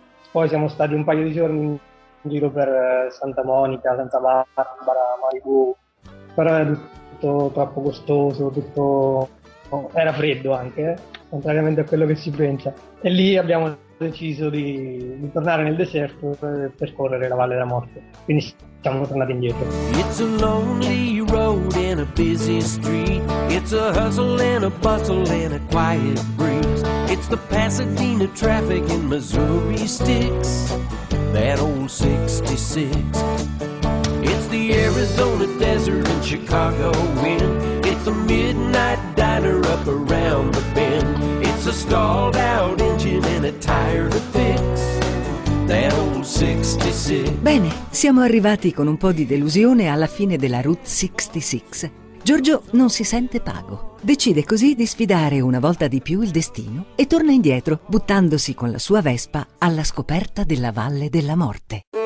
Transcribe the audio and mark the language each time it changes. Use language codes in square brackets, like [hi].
[it] Poi siamo stati un paio di giorni in giro per Santa Monica, Santa Barbara, Malibu. Però era tutto troppo costoso, era freddo anche. contrariamente a quello che si pensa. E lì abbiamo deciso di tornare nel deserto per scorrere la Valle della Morte. Quindi siamo tornati indietro. [en] It's a lonely road in a busy street. It's a hustle and a bustle and a quiet breeze. It's the Pasadena traffic in Missouri sticks. That old 66. It's the Arizona desert and Chicago wind. It's a midnight diner up around the bend. It's a stalled out engine and a tire to fix. That old 66. [it] Bene, siamo arrivati con un po' di delusione alla fine della Route 66. Giorgio non si sente pago. Decide così di sfidare una volta di più il destino e torna indietro, buttandosi con la sua Vespa alla scoperta della Valle della Morte.